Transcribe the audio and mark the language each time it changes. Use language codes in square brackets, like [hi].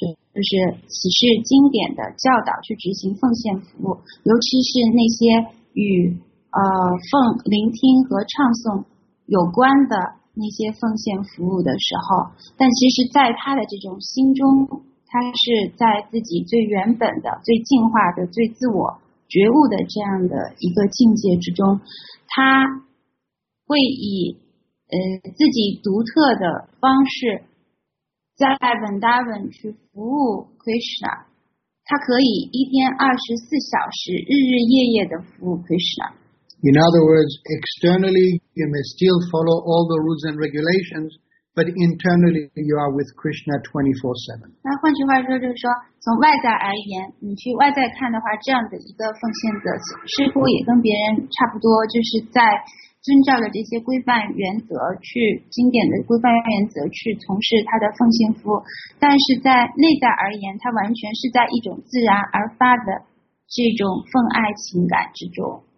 [zh] 就是启示经典的教导去执行奉献服务，尤其是那些与聆听和唱诵有关的那些奉献服务的时候，但其实在他的这种心中，他是在自己最原本的最进化的最自我觉悟的这样的一个境界之中，他会以自己独特的方式在 Vrindavan 去服务 Krishna， 他可以一天24小时日日夜夜的服务 Krishna。 [en] In other words, externally you may still follow all the rules and regulations, but internally you are with Krishna 24/7。 [zh] 那换句话说，就是说从外在而言，你去外在看的话，这样的一个奉献者似乎也跟别人差不多，就是在遵照的这些规范原则去经典的规范原则去从事他的奉献服务，但是在内在而言，他完全是在一种自然而发的这种奉爱情感之中。